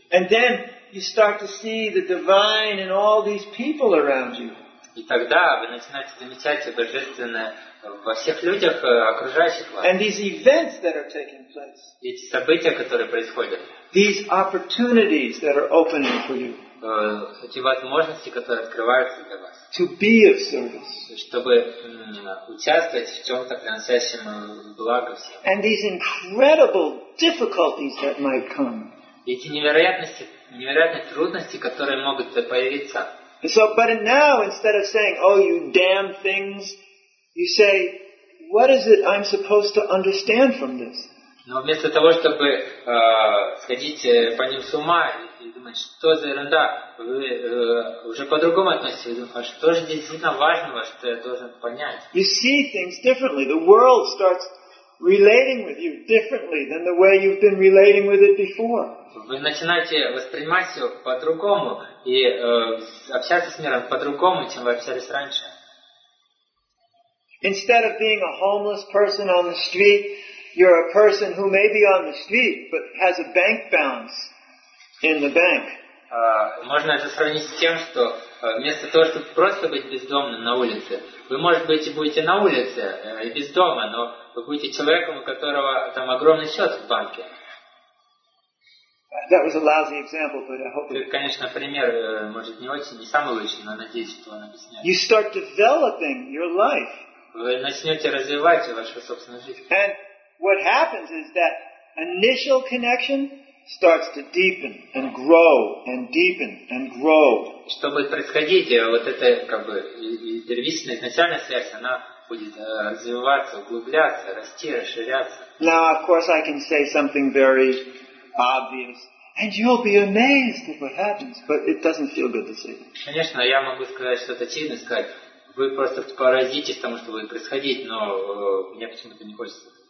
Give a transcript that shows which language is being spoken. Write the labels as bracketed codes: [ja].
[en] And then you start to see the divine in all these people around you. [ru] И тогда вы начинаете замечать божественное во всех людях, окружающих вас. [en] And these events that are taking place. [ru] Эти события, которые происходят. [en] These opportunities that are opening for you. [ru] Эти возможности, которые открываются для вас. [en] To be of service. [ru] Чтобы участвовать в чем-то, приносящем благо всем. [en] And these incredible difficulties that might come. [ru] Эти невероятные трудности, которые могут появиться. [en] So, but now, instead of saying, oh, you damn things, you say, what is it I'm supposed to understand from this? [ru] Но вместо того, чтобы сходить по ним с ума и думать, что за ерунда, вы уже по-другому относитесь, вы думаете, а что же действительно важного, что я должен понять? [en] You see things differently. The world starts relating with you differently than the way you've been relating with it before. [ru] Вы начинаете воспринимать все по-другому и общаться с миром по-другому, чем вы общались раньше. [en] Instead of being a homeless person on the street, you're a person who may be on the street but has a bank balance in the bank. [ru] Можно это сравнить с тем, что вместо того, чтобы просто быть бездомным на улице, вы, может быть, и будете на улице и без дома, но вы будете человеком, у которого там огромный счет в банке. [en] That was a lousy example, but I hope. [ru] Это, конечно, пример, может, не очень, не самый лучший, но надеюсь, что он объясняет. [en] You start developing your life. [ru] Вы начнете развивать вашу собственную жизнь. [en] And what happens is that initial connection starts to deepen and grow and deepen and grow. [ru] Что будет происходить? Вот эта как бы первичная изначальная связь, она будет развиваться, углубляться, расти, расширяться. [en] Now, of course, I can say something very obvious, and you'll be amazed at what happens, but it doesn't feel good to say that. [ru] Конечно, я могу сказать что-то очевидное, сказать, вы просто поразитесь тому, что будет происходить, но мне почему-то не хочется.